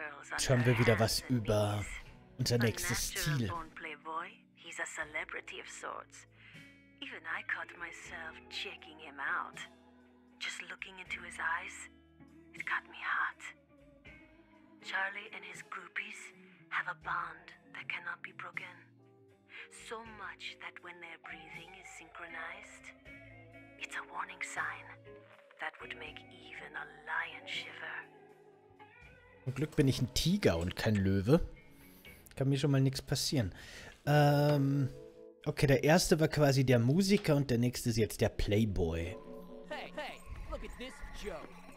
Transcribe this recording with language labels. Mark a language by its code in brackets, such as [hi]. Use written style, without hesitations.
[de] Jetzt haben wir wieder was über unser nächstes Ziel. [en] He's a celebrity of sorts. Even I caught myself checking him out. Just looking into his eyes, it got me hot. Charlie and his groupies have a bond that cannot be broken. So much that when their breathing is synchronized, it's a warning sign that would make even a lion shiver. [de] Zum Glück bin ich ein Tiger und kein Löwe. Kann mir schon mal nichts passieren. Okay, der erste war quasi der Musiker und der nächste ist jetzt der Playboy. [en] Hey, hey, look at this joke.